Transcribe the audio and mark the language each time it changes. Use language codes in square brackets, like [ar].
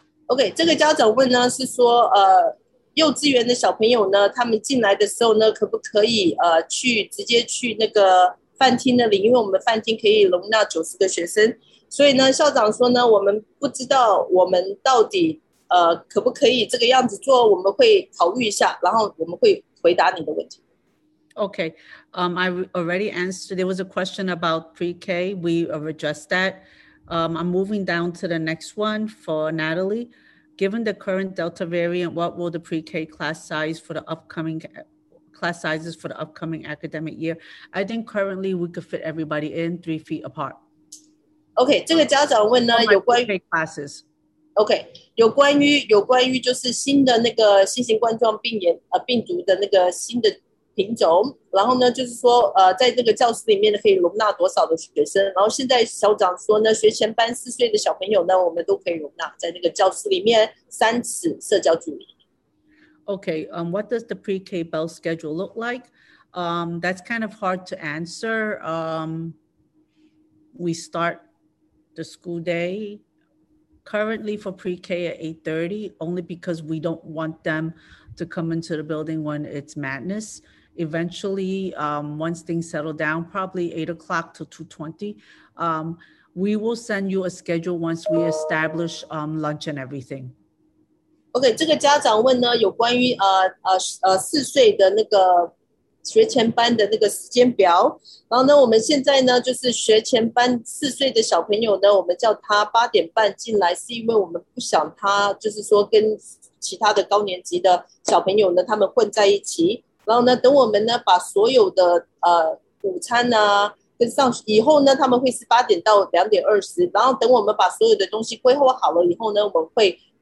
[zh] Okay, 这个家长问呢是说, 幼稚园的小朋友呢，他们进来的时候呢，可不可以去直接去那个饭厅那里？因为我们的饭厅可以容纳90个学生，所以呢，校长说呢，我们不知道我们到底可不可以这个样子做，我们会考虑一下，然后我们会回答你的问题。Okay, [en] I already answered. There was a question about pre-K. We addressed that. I'm moving down to the next one for Natalie. Given the current Delta variant, what will the pre-K class size for the upcoming academic year? I think currently we could fit everybody in 3 feet apart. [zh] Okay, 这个家长问呢，有关于 classes. Okay, 有关于就是新的那个新型冠状病毒的那个新的品种，然后呢，就是说，在这个教室里面可以容纳多少的学生？然后现在校长说呢，学前班4岁的小朋友呢，我们都可以容纳在那个教室里面3次社交距离。 [en] Okay, what does the pre-K bell schedule look like? That's kind of hard to answer. We start the school day currently for pre-K at 8:30, only because we don't want them to come into the building when it's madness. Eventually, once things settle down, probably 8 o'clock to 2:20, we will send you a schedule once we establish lunch and everything. [zh] Okay, 这个家长问呢，有关于4岁的那个学前班的那个时间表。然后呢，我们现在呢，就是学前班4岁的小朋友呢，我们叫他8点半进来，是因为我们不想他就是说跟其他的高年级的小朋友呢，他们混在一起。然后呢，等我们呢把所有的午餐啊跟上以后呢，他们会是8点到2点20。然后等我们把所有的东西规划好了以后呢，我们会